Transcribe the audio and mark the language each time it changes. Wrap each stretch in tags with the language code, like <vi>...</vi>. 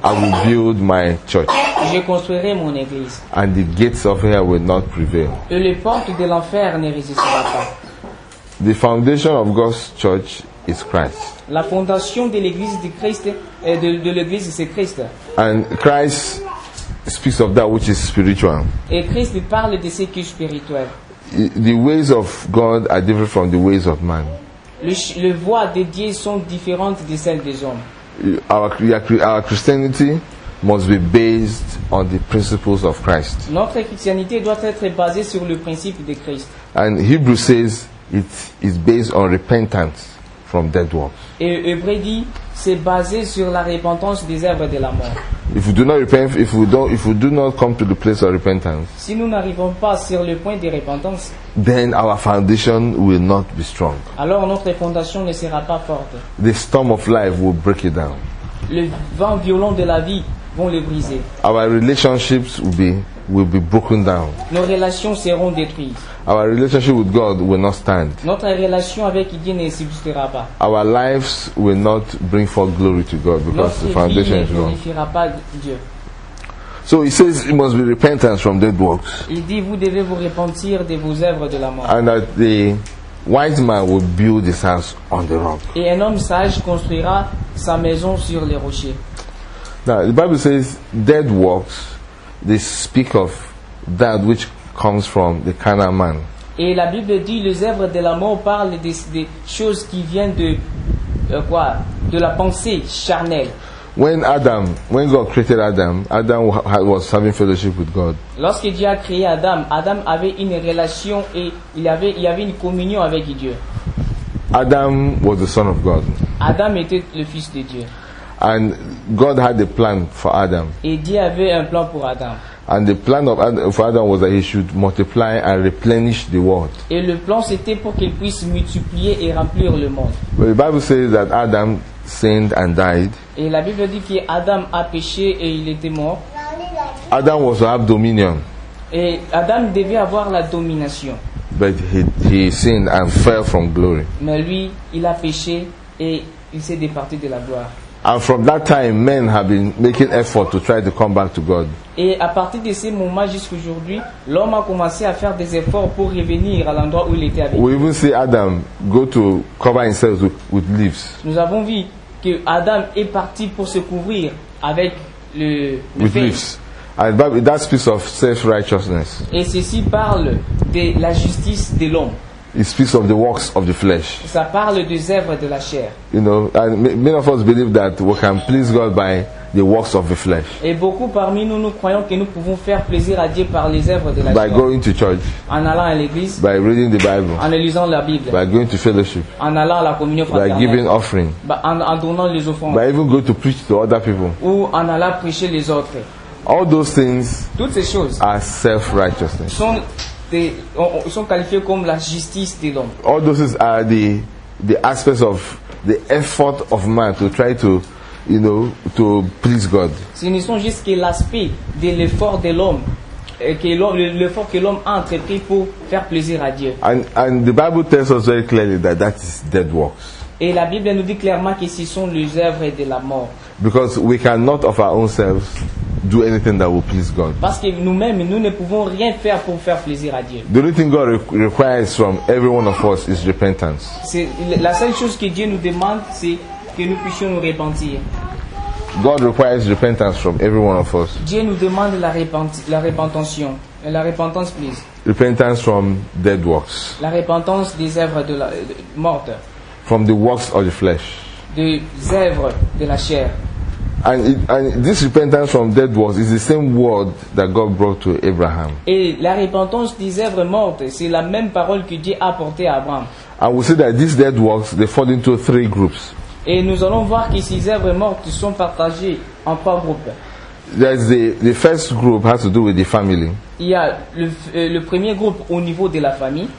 <en>I will build my church.</en> <fr>Je construirai mon église.</fr> <en>And the gates of hell will not prevail.</en> <fr>Et les portes de l'enfer ne résisteront pas.</fr> <en>The foundation of God's church is Christ.</en> <fr>La fondation de l'église de Christ et de l'église c'est Christ.</fr> <en>And Christ speaks of that which is spiritual.</en> <fr>Et Christ parle de ce qui est spirituel.</fr> <en>The ways of God are different from the ways of man.</en> <fr>Les voies de Dieu sont différentes de celles des hommes.</fr> <en>Our Christianity must be based on the principles of Christ.</en> <fr>Notre chrétienté doit être basée sur le principe de Christ.</fr> <en>And Hebrews says it is based on repentance from dead works.</en> <fr>Et Hébreux dit c'est basé sur la repentance des œuvres de la mort.</fr> <en>If we do not repent, if we do not come to the place of repentance,</en> <fr>si nous n'arrivons pas sur le point de repentance,</fr> <en>then our foundation will not be strong.</en> <fr>Alors notre fondation ne sera pas forte.</fr> <en>The storm of life will break it down.</en> <fr>Le vent violent de la vie vont le briser.</fr> <en>Our relationships will be broken down.</en> <fr>Nos relations seront détruites.</fr> <en>Our relationship with God will not stand.</en> <fr>Notre relation avec Dieu ne subsistera pas.</fr> <en>Our lives will not bring forth glory to God because</en> <fr>notre</fr> <en>the foundation is wrong.</en> <fr>Ne glorifiera pas Dieu.</fr> <en>So he says it must be repentance from dead works.</en> <fr>Il dit vous devez vous repentir de vos œuvres de la mort.</fr> <en>And that the wise man will build his house on the rock.</en> <fr>Et un homme sage construira sa maison sur les rochers.</fr> <en>Now the Bible says dead works. They speak of that which comes from the carnal man.</en> <fr>Et la Bible dit les œuvres de la mort parlent des choses qui viennent de la pensée charnelle.</fr> <en>When God created Adam, Adam was having fellowship with God.</en> <fr>Lorsque Dieu a créé Adam, Adam avait une relation et il y avait une communion avec Dieu.</fr> <en>Adam was the son of God.</en> <fr>Adam était le fils de Dieu.</fr> <en>And God had a plan for Adam.</en> <fr>Et Dieu avait un plan pour Adam.</fr> <en>And the plan of Adam, for Adam was that he should multiply and replenish the world.</en> <fr>Et le plan c'était pour qu'il puisse multiplier et remplir le monde.</fr> <en>But the Bible says that Adam sinned and died.</en> <fr>Et la Bible dit que Adam a péché et il était mort.</fr> <en>Adam was to have dominion.</en> <fr>Et Adam devait avoir la domination.</fr> <en>But he sinned and fell from glory.</en> <fr>Mais lui, il a péché et il s'est départi de la gloire.</fr> <en>And from that time, men have been making effort to try to come back to God.</en> <fr>Et à partir de ce moment jusqu'à aujourd'hui, l'homme a commencé à faire des efforts pour revenir à l'endroit où il était avec.</fr> <en>We even see Adam go to cover himself with leaves.</en> <fr>Nous avons vu que Adam est parti pour se couvrir avec le</fr> <en>with leaves. And that speaks of self-righteousness.</en> <fr>Et ceci parle de la justice de l'homme.</fr> <en>It speaks of the works of the flesh.</en> <fr>Ça parle des œuvres de la chair.</fr> <en>You know, and many of us believe that we can please God by the works of the flesh.</en> <fr>Et beaucoup parmi nous, nous croyons que nous pouvons faire plaisir à Dieu par les œuvres de la chair.</fr> <en>By going to church.</en> <fr>En allant à l'église.</fr> <en>By reading the Bible.</en> <fr>En lisant la Bible.</fr> <en>By going to fellowship.</en> <fr>En allant à la communion fraternelle.</fr> <en>By giving offering.</en> <fr>En donnant les offrandes.</fr> <en>By even going to preach to other people.</en> <fr>Ou en allant prêcher les autres.</fr> <en>All those things.</en> <fr>Toutes ces choses.</fr> <en>Are self-righteousness.</en> <fr>Sont qualifiés comme la justice de l'homme.</fr> <en>All those are the the aspects of the effort of man to try to, you know, to please God.</en> <fr>Ce ne sont juste que l'aspect de l'effort de l'homme. L'effort que l'homme a entrepris pour faire plaisir à Dieu.</fr> <en>And the Bible tells us very clearly that that is dead works.</en> <fr>Et la Bible nous dit clairement que ce sont les œuvres de la mort.</fr> <en>Because we cannot of our own selves do anything that will please God.</en> <fr>Parce que nous-mêmes, nous ne pouvons rien faire pour faire plaisir à Dieu.</fr> <en>The only thing God requires from every one of us is repentance.</en> <fr>C'est la seule chose que Dieu nous demande, c'est que nous puissions nous repentir.</fr> <en>God requires repentance from every one of us.</en> <fr>Dieu nous demande la repentance, please.</fr> <en>Repentance from dead works.</en> <fr>La repentance des œuvres de la morte.</fr> <en>From the works of the flesh.</en> <fr>Des œuvres de la chair.</fr> <en>And this repentance from dead works is the same word that God brought to Abraham.</en> <fr>Et la repentance des œuvres mortes, c'est la même parole que Dieu a portée à Abraham.</fr> <en>And we see that these dead works, they fall into three groups.</en> <fr>Et nous allons voir que ces œuvres mortes sont partagées en trois groupes.</fr> <en>The first group has to do with the family.</en> <fr>Il y a le premier groupe au niveau de la famille.</fr>